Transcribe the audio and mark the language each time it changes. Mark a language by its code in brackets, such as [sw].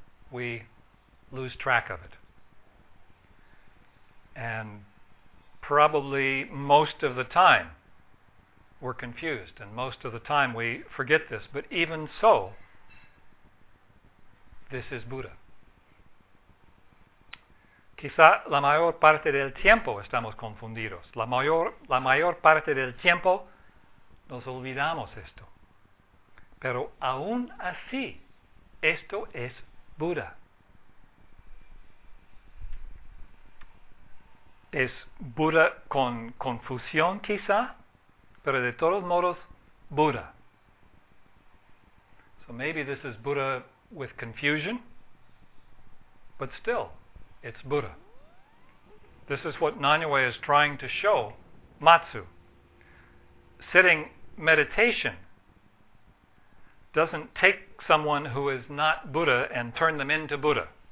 [en] We lose track of it. And probably most of the time we're confused and most of the time we forget this, but even so, this is Buddha. [es] Quizá la mayor parte del tiempo estamos confundidos. La mayor parte del tiempo nos olvidamos esto. Pero aún así, esto es Buddha. Es Buda con confusión quizá, pero de todos modos, Buda. [en] So maybe this is Buda with confusion, but still, it's Buda. This is what Nanyue is trying to show Matsu sitting meditation doesn't take someone who is not Buddha and turn them into Buddha.